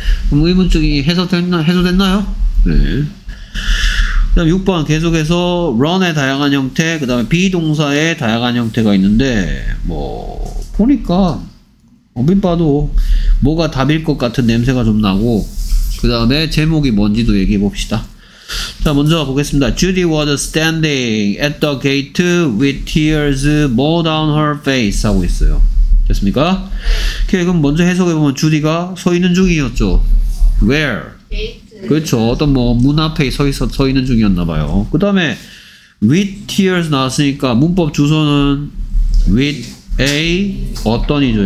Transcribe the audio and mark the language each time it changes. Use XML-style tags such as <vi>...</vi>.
<ko>그럼 의문증이 해소됐나요? 네. 그다음 6번 계속해서 run의 다양한 형태, 그 다음에 be 동사의 다양한 형태가 있는데 뭐 보니까 어빛 봐도 뭐가 답일 것 같은 냄새가 좀 나고, 그 다음에 제목이 뭔지도 얘기해 봅시다. 자 먼저 보겠습니다.</ko> <en>Judy was standing at the gate with tears more down her face</en> <ko>하고 있어요. 됐습니까? 오케이, 그럼 먼저 해석해보면 주디가 서 있는 중이었죠.</ko> <en>Where?</en> <ko>게이트. 그렇죠. 어떤 뭐 문 앞에 서 있는 중이었나봐요. 그 다음에 with tears 나왔으니까 문법 주소는 with a 어떤이죠.</ko>